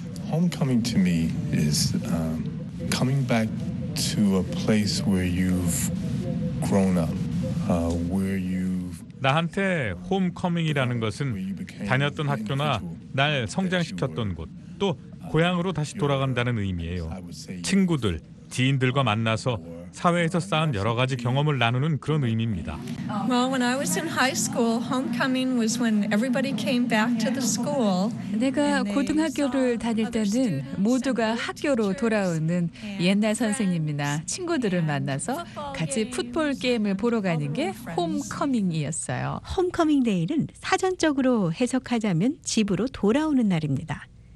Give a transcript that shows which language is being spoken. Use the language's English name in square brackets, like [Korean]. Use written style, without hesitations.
[English] 홈커밍 to me is coming back to a place where you've grown up, where you've [Korean] 나한테 홈커밍이라는 것은 다녔던 학교나 날 성장시켰던 곳, 또 고향으로 다시 돌아간다는 의미예요. 친구들, 지인들과 만나서 사회에서 쌓은 여러 가지 경험을 나누는 그런 의미입니다. [English] Well, when I was in high school, homecoming was when everybody came back to the school. [Korean] 내가 고등학교를 다닐 때는 모두가 학교로 돌아오는 옛날 선생님이나 친구들을 만나서 같이 풋볼 게임을 보러 가는 게 홈커밍이었어요. 홈커밍 데이는 사전적으로 해석하자면 집으로 돌아오는 날입니다.